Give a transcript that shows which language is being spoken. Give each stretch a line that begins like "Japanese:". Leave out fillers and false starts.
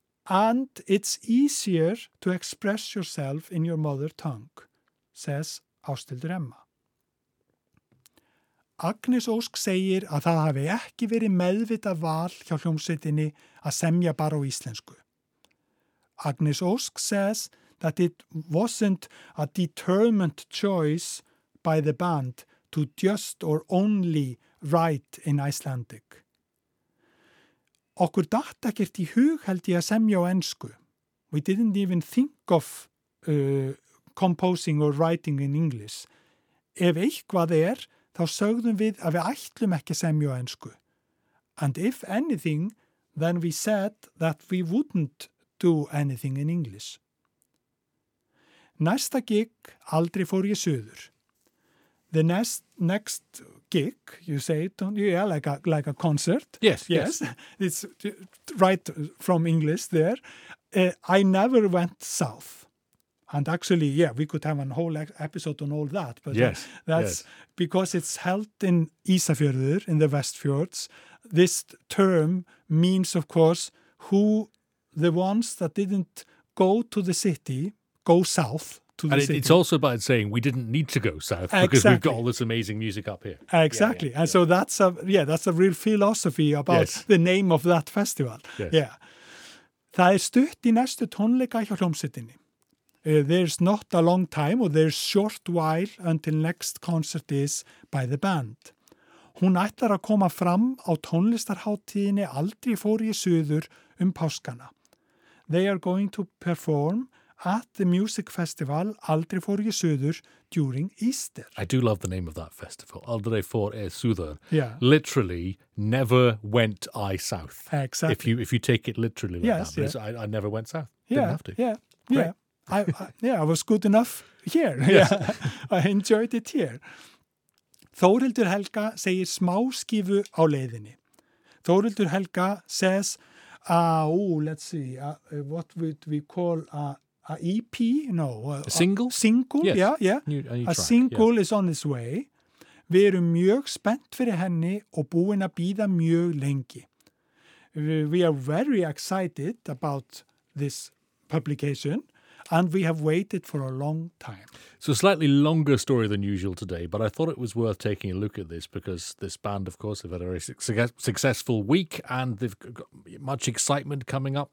English: And it's easier to express yourself in your mother tongue, says Ásthildur Emma.
Icelandic: Agnes Ósk segir að það hafi ekki verið meðvitað val hjá hljómsveitinni að semja bara á íslensku.
English: Agnes Ósk says that it wasn't a determined choice by the band to just or only write in Icelandic.
Icelandic: Okkur datt ekkert í hug held ég að semja á ensku.
English: We didn't even think of composing or writing in English.
Icelandic: Ef eitthvað þá sögðum við að við ætlum ekki semja á ensku.
English: And if anything, then we said that we wouldn't do anything in English.
Icelandic: Næsta gig aldrei fór ég suður.
English: The next gig, you say it, don't you? Yeah, like a concert. Yes. It's right from English there. I never went south. And actually, we could have a whole episode on all that. But yes, that's because it's held in Ísafjörður, in the Westfjords. This term means, of course, who the ones that didn't go to the city, go south. And it's also about saying we didn't need to go south because we've got all this amazing music up here. Exactly. So that's a real philosophy about the name of that festival. Yes.
Icelandic: Það stutt í næstu tónleika hjá hljómsveitinni.
English: There's not a long time or there's short while until next concert is by the band.
Icelandic: Hún ætlar að koma fram á tónlistarhátíðinni aldrei fór ég suður páskana.
English: They are going to perform at the music festival Aldrei fór ég suður during Easter. I do love the name of that festival, Aldrei fór ég suður. Yeah. Literally, never went I south. Exactly. If you take it literally like that. Yes, I never went south. Didn't have to. Yeah. I was good enough here. Yeah. I enjoyed it here.
Icelandic: Þórhildur Helga segir smáskifu á leiðinni.
English: Þórhildur Helga says, what would we call a EP, no. A single? Single, yes. A single is on its way.
Icelandic: Við erum mjög spennt fyrir henni og búin að bíða mjög lengi.
English: We are very excited about this publication and we have waited for a long time. So slightly longer story than usual today, but I thought it was worth taking a look at this because this band, of course, have had a very successful week and they've got much excitement coming up.